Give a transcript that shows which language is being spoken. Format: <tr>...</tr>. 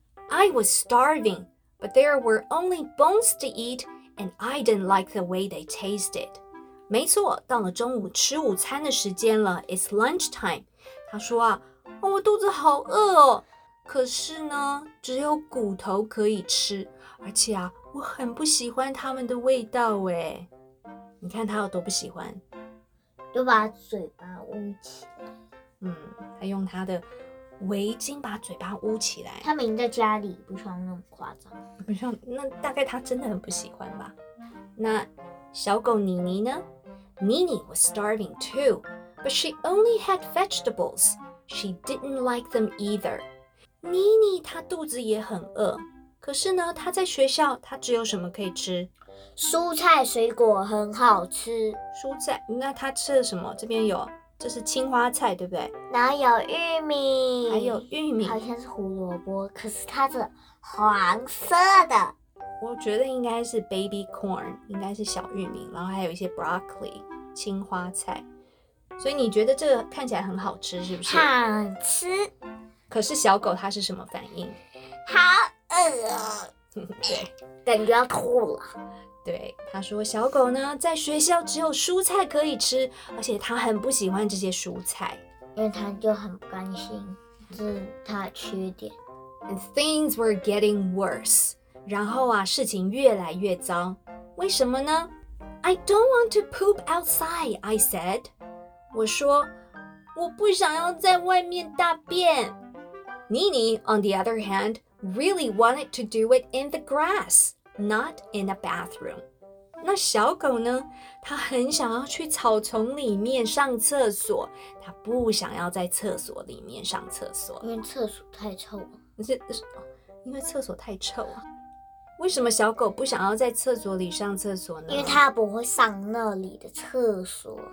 <en>I was starving, but there were only bones to eat, and I didn't like the way they tasted.</en> <zh>没错，到了中午吃午餐的时间了。</zh> <en>It's lunchtime.</en> <zh>他说啊，我肚子好饿哦。可是呢，只有骨头可以吃，而且啊，我很不喜欢它们的味道耶。你看他有多不喜欢，都把嘴巴捂起来。嗯，他用他的围巾把嘴巴捂起来。他明在家里不像那么夸张，不像，那大概他真的很不喜欢吧。那小狗妮妮呢？</zh> <en>Nini was starving too, but she only had vegetables. She didn't like them either.</en> <zh>妮妮她肚子也很饿，可是呢，她在学校她只有什么可以吃？蔬菜水果很好吃。蔬菜？那她吃了什么？这边有，这是青花菜，对不对？然后有玉米，还有玉米，好像是胡萝卜，可是它是黄色的。我觉得应该是 baby corn， 应该是小玉米，然后还有一些 broccoli， 青花菜。所以你觉得这个看起来很好吃，是不是？好吃。可是小狗它是什么反应？好饿，对，感觉要吐了。对，他说小狗呢，在学校只有蔬菜可以吃，而且他很不喜欢这些蔬菜，因为他就很不甘心，这是他的缺点。</zh> <en>And things were getting worse.</en> <zh>然后啊，事情越来越糟。为什么呢？</zh> <en>I don't want to poop outside, I said.</en> <zh>我说我不想要在外面大便。</zh> <en>Nini, on the other hand, really wanted to do it in the grass, not in a bathroom.</en> <zh>那小狗呢？它很想要去草丛里面上厕所，它不想要在厕所里面上厕所，因为厕所太臭了。因为厕所太臭了。为什么小狗不想要在厕所里上厕所呢？因为它不会上那里的厕所。</zh>